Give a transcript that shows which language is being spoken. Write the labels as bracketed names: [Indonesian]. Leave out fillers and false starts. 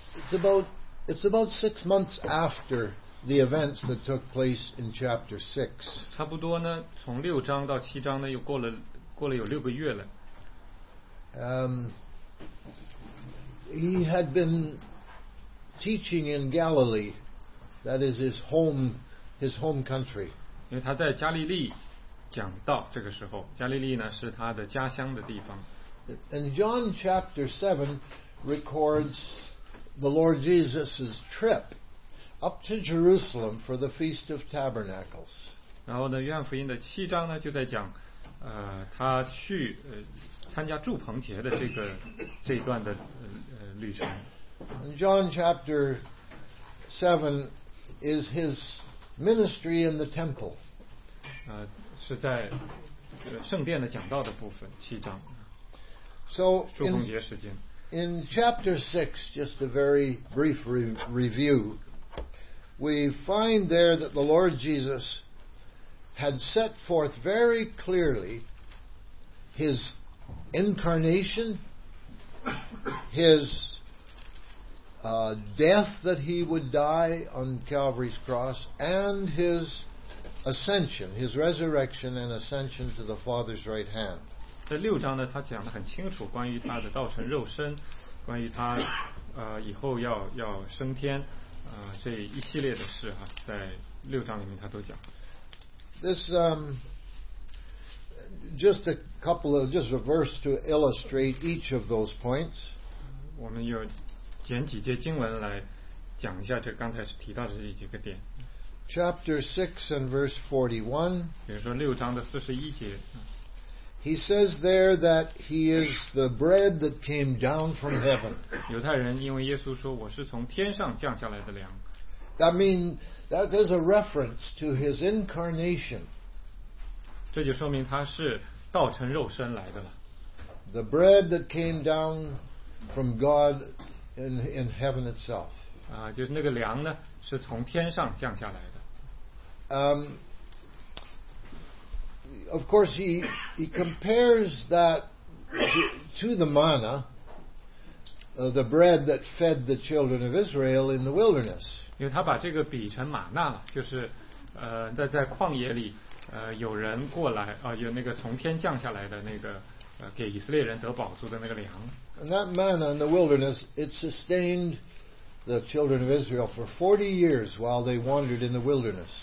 [English] It's about 6 months after the events that took place in chapter 6. [Chinese] 差不多呢，从六章到七章呢，又过了有六个月了。 [English] He had been teaching in Galilee, that is his home country. [Chinese] 因为他在加利利讲道，这个时候，加利利呢是他的家乡的地方。 [English] And John chapter 7 records. The Lord Jesus' trip up to Jerusalem for the Feast of Tabernacles. [Chinese] 然后呢，约翰福音的七章呢就在讲，他去参加祝棚节的这段的旅程。 [English] And John chapter 7 is his ministry in the temple. [Chinese] 是在圣殿的讲道的部分，七章。 [English] So [Chinese] 祝棚节时间。 [English] In chapter 6, just a very brief review, we find there that the Lord Jesus had set forth very clearly his incarnation, his death that he would die on Calvary's cross, and his ascension, his resurrection and ascension to the Father's right hand. [Chinese] 在六章呢，他讲得很清楚，关于他的道成肉身，关于他以后要升天，这一系列的事哈，在六章里面他都讲。 [English] This just a verse to illustrate each of those points. [Chinese] 我们有捡几节经文来讲一下这刚才提到的这几个点。 [English] Chapter 6 and verse 41. [Chinese] 比如说六章的四十一节。 [English] He says there that he is the bread that came down from heaven. [Chinese] 犹太人因为耶稣说我是从天上降下来的粮。 [English] That is a reference to his incarnation. [Chinese] 这就说明他是道成肉身来的了。 [English] The bread that came down from God in heaven itself. [Chinese] 啊，就是那个粮呢，是从天上降下来的。 [English] Of course, he compares that to the manna, the bread that fed the children of Israel in the wilderness. [Chinese] 因为他把这个比成玛纳了，就是在旷野里有人过来有那个从天降下来的那个给以色列人得饱足的那个粮。 [English] And that manna in the wilderness, it sustained the children of Israel for 40 years while they wandered in the wilderness.